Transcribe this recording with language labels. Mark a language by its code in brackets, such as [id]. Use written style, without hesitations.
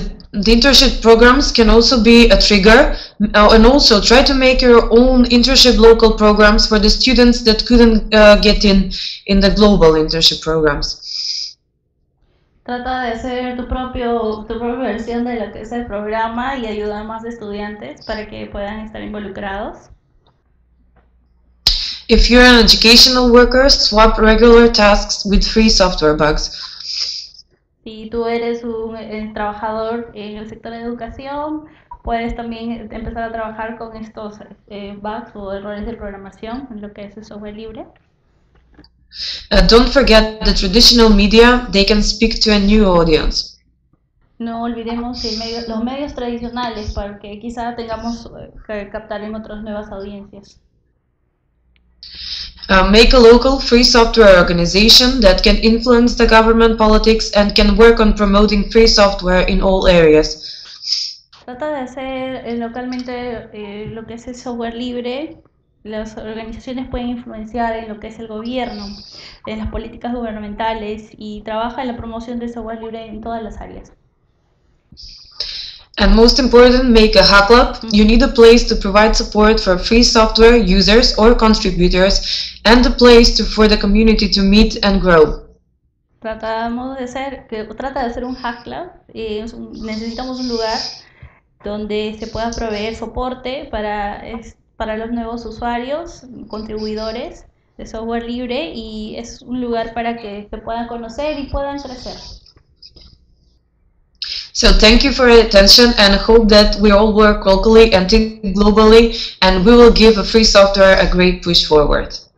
[en] The internship programs can also be a trigger, and also try to make your own internship local programs for the students that couldn't get in the global internship programs. [es] Trata de hacer tu propia versión de lo que es el programa y ayudar más estudiantes para que puedan estar involucrados. [en] If you're an educational worker, swap regular tasks with free software bugs. [es] Si tú eres un trabajador en el sector de educación, puedes también empezar a trabajar con estos bugs o errores de programación en lo que es el software libre. [en] Don't forget the traditional media, they can speak to a new audience. [es] No olvidemos que los medios tradicionales, porque quizá tengamos que captar en otras nuevas audiencias. [en] Make a local free software organization that can influence the government politics and can work on promoting free software in all areas. [es] Trata de hacer localmente lo que es el software libre. Las organizaciones pueden influenciar en lo que es el gobierno, en las políticas gubernamentales y trabaja en la promoción del software libre en todas las áreas. [en] And most important, make a hack club. You need a place to provide support for free software users or contributors and a place for the community to meet and grow. [es] Trata de hacer un hack club. Necesitamos un lugar donde se pueda proveer soporte para los nuevos usuarios, contribuidores de software libre, y es un lugar para que se puedan conocer y puedan crecer. [en] So thank you for your attention and hope that we all work locally and think globally and we will give a free software a great push forward.